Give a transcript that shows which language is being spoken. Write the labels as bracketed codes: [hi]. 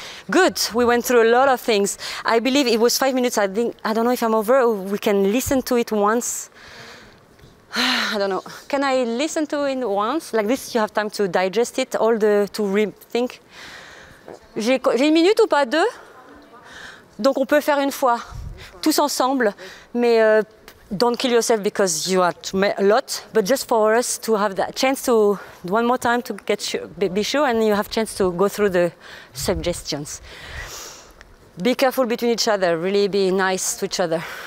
[en] Good, we went through a lot of things. I believe it was 5 minutes. I don't know if I'm over or we can listen to it once. I don't know. Can I listen to it once? Like this, you have time to digest it, all the, to rethink. [fr] J'ai une minute ou pas deux? Donc on peut faire une fois, tous ensemble. Mais [en] don't kill yourself because you are a lot, but just for us to have that chance to one more time to get sure, be sure, and you have chance to go through the suggestions. Be careful between each other, really be nice to each other.